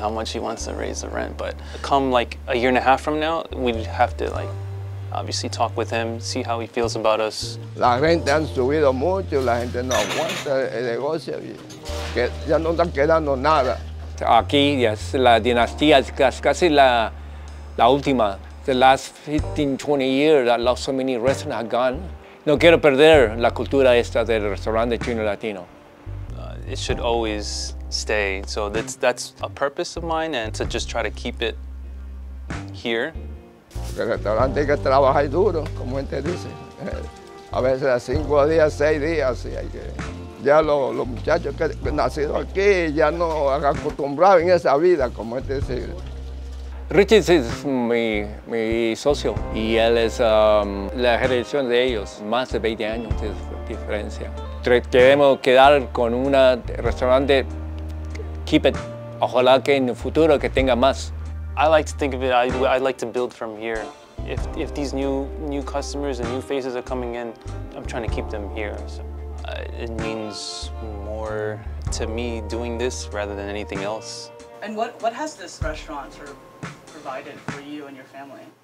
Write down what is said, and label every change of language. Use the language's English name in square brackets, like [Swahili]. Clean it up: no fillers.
[English] How much he wants to raise the rent. But come like a year and a half from now, we'd have to like obviously talk with him, see how he feels about us. [Spanish] La renta han subido mucho, la gente no aguanta el negocio, que ya no están quedando nada. Aquí es la dinastía, es casi la última. [English] The last 15, 20 years, I lost so many restaurants have gone. [Spanish] No quiero perder la cultura esta del restaurante Chino-Latino. [English] It should always stay. So that's a purpose of mine, and to just try to keep it here. [Spanish] El restaurante hay que trabajar duro, como gente dice. A veces a 5 días, 6 días, así hay que... Ya los muchachos que han nacido aquí ya no han acostumbrado en esa vida, como este dice. Richard es mi socio y él es la generación de ellos, más de 20 años de diferencia. Queremos quedar con un restaurante, [English] keep it, [Spanish] ojalá que en el futuro que tenga más. [English] I like to think of it, I'd like to build from here. If these new customers and new faces are coming in, I'm trying to keep them here. So. It means more to me doing this rather than anything else. And what has this restaurant sort of provided for you and your family?